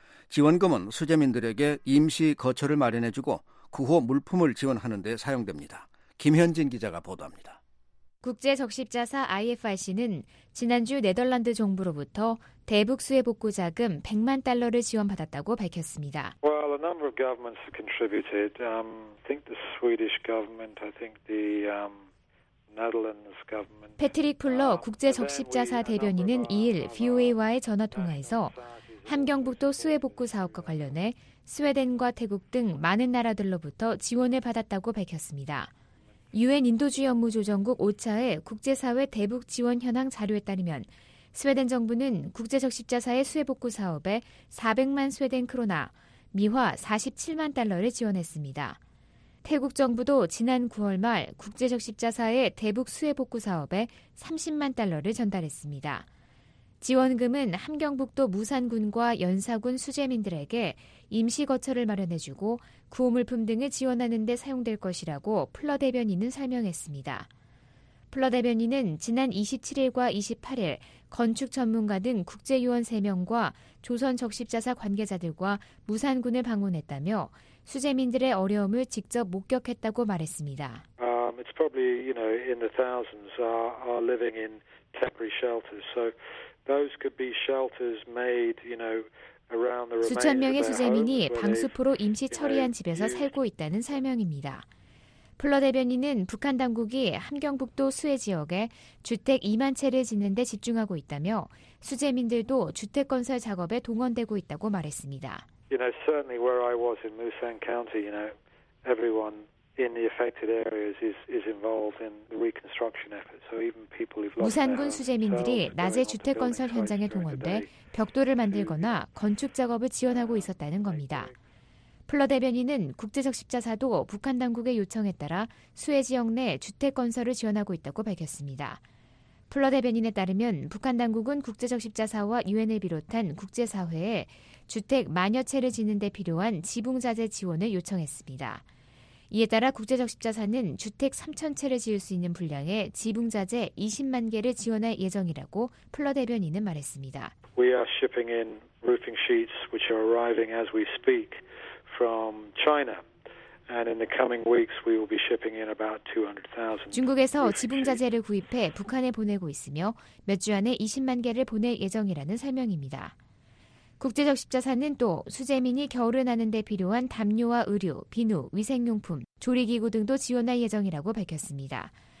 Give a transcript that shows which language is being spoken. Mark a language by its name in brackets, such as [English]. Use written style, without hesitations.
[Korean] 지원금은 수재민들에게 임시 거처를 마련해주고 구호 물품을 지원하는 데 사용됩니다. 김현진 기자가 보도합니다. 국제적십자사 IFRC는 지난주 네덜란드 정부로부터 대북 수해 복구 자금 100만 달러를 지원받았다고 밝혔습니다. [English] Well, a number of governments have contributed. I think the Swedish government, I think the Netherlands government. [Korean] 패트릭 플러 국제적십자사 대변인은 2일 VOA와의 전화 통화에서 함경북도 수해 복구 사업과 관련해 스웨덴과 태국 등 많은 나라들로부터 지원을 받았다고 밝혔습니다. 유엔 인도주의 업무 조정국 오차의 국제사회 대북 지원 현황 자료에 따르면 스웨덴 정부는 국제적십자사의 수해복구 사업에 400만 스웨덴 크로나, 미화 47만 달러를 지원했습니다. 태국 정부도 지난 9월 말 국제적십자사의 대북 수해복구 사업에 30만 달러를 전달했습니다. 지원금은 함경북도 무산군과 연사군 수재민들에게 임시 거처를 마련해주고 구호물품 등을 지원하는 데 사용될 것이라고 플러 대변인은 설명했습니다. 플러 대변인은 지난 27일과 28일 건축 전문가 등 국제요원 3명과 조선적십자사 관계자들과 무산군을 방문했다며 수재민들의 어려움을 직접 목격했다고 말했습니다. [English] It's probably, you know, in the thousands are living in temporary shelters. So those could be shelters made, you know, around the [Korean] 수천 명의 수재민이 방수포로 임시 처리한 집에서 살고 있다는 설명입니다. 플러 대변인은 북한 당국이 함경북도 수해 지역에 주택 2만 채를 짓는 데 집중하고 있다며 수재민들도 주택 건설 작업에 동원되고 있다고 말했습니다. [English] You know, certainly where I was in Musan County, you know, everyone in the affected areas is involved in the reconstruction effort. So even people who've lost their homes. [Korean] 무산군 수재민들이 낮에 주택 건설 현장에 동원돼 벽돌을 만들거나 건축 작업을 지원하고 있었다는 겁니다. 플러 대변인은 국제적십자사도 북한 당국의 요청에 따라 수해 지역 내 주택 건설을 지원하고 있다고 밝혔습니다. 플러 대변인에 따르면 북한 당국은 국제적십자사와 유엔을 비롯한 국제사회에 주택 만여 채를 짓는 데 필요한 지붕 자재 지원을 요청했습니다. 이에 따라 국제적십자사는 주택 3천 채를 지을 수 있는 분량의 지붕 자재 20만 개를 지원할 예정이라고 플러 대변인은 말했습니다. [English] We are shipping in roofing sheets which are arriving as we speak. From China, and in the coming weeks, we will be shipping in about 200,000. [Korean] 중국에서 지붕 자재를 구입해 북한에 보내고 있으며 몇 주 안에 20만 개를 보낼 예정이라는 설명입니다. 국제적십자사는 또 수재민이 겨울을 나는 데 필요한 담요와 의류, 비누, 위생용품, 조리기구 등도 지원할 예정이라고 밝혔습니다.